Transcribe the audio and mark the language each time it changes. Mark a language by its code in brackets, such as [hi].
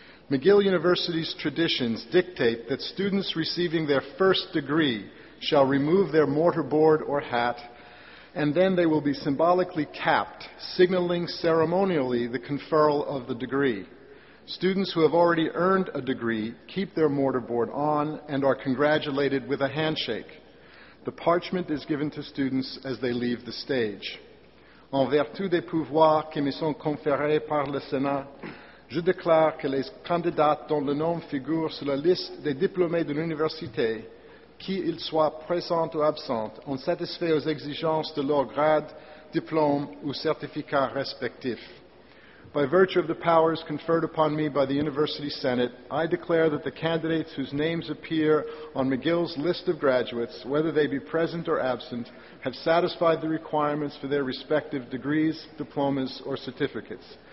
[en] McGill University's traditions dictate that students receiving their first degree shall remove their mortarboard or hat, and then they will be symbolically capped, signaling ceremonially the conferral of the degree. Students who have already earned a degree keep their mortarboard on and are congratulated with a handshake. The parchment is given to students as they leave the stage. [fr] En vertu des pouvoirs qui me sont conférés par le Sénat, je déclare que les candidats dont le nom figure sur la liste des diplômés de l'université, qu'ils soient présents ou absents, ont satisfait aux exigences de leur grade, diplôme ou certificat respectif. [en] By virtue of the powers conferred upon me by the University Senate, I declare that the candidates whose names appear on McGill's list of graduates, whether they be present or absent, have satisfied the requirements for their respective degrees, diplomas, or certificates.